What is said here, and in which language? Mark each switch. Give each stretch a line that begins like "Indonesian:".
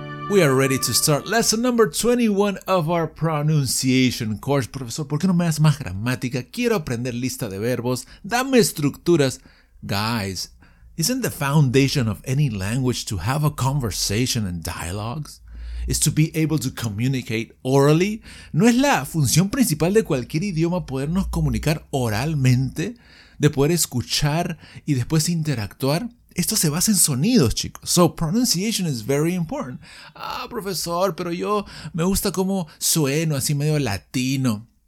English: We are ready to start lesson number 21 of our pronunciation course.
Spanish: Profesor, ¿por qué no me das más gramática? Quiero aprender lista de verbos. Dame estructuras.
English: Guys, isn't the foundation of any language to have a conversation and dialogues? Is to be able to communicate orally?
Spanish: ¿No es la función principal de cualquier idioma podernos comunicar oralmente? ¿De poder escuchar y después interactuar? Esto se basa en sonidos, chicos.
English: So, pronunciation is very important.
Spanish: Ah, profesor, pero yo me gusta cómo sueno, así medio latino.